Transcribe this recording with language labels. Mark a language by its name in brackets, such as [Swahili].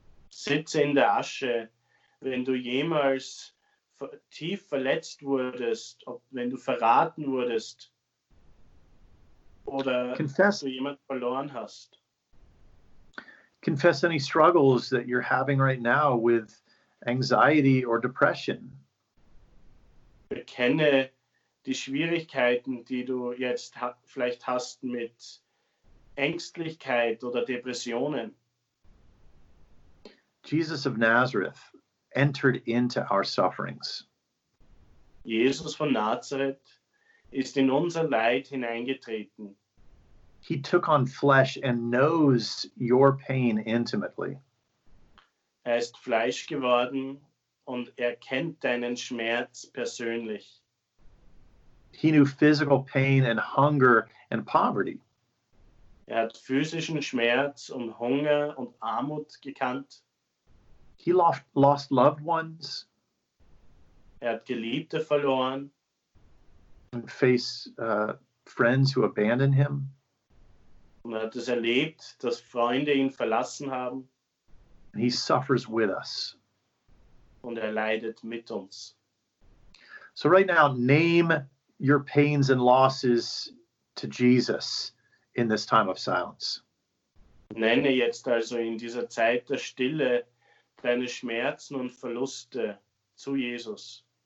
[German] Sitze in der Asche, wenn du jemals tief verletzt wurdest, wenn du verraten wurdest oder [English] confess, [German] du jemanden verloren hast. [English] Confess any struggles that you're having right now with anxiety or depression. [German] Bekenne die Schwierigkeiten, die du jetzt vielleicht hast mit Ängstlichkeit oder Depressionen. [English] Jesus of Nazareth entered into our sufferings. [German] Jesus von Nazareth ist in unser Leid hineingetreten. [English] He took on flesh and knows your pain intimately. [German] Er ist Fleisch geworden und er kennt deinen Schmerz persönlich. [English] He knew physical pain and hunger and poverty. [German] Er hat physischen Schmerz und Hunger und Armut gekannt. [English] He lost loved ones. [German] Er hat Geliebte verloren. [English] And faced friends who abandoned him. [German] Und er hat es erlebt, dass Freunde ihn verlassen haben. [English] And he suffers with us. [German] Und er leidet mit uns. [English] So right now, name your pains and losses to Jesus in this time of silence. [German] Nenne jetzt also in dieser Zeit der Stille deine Schmerzen und Verluste zu Jesus.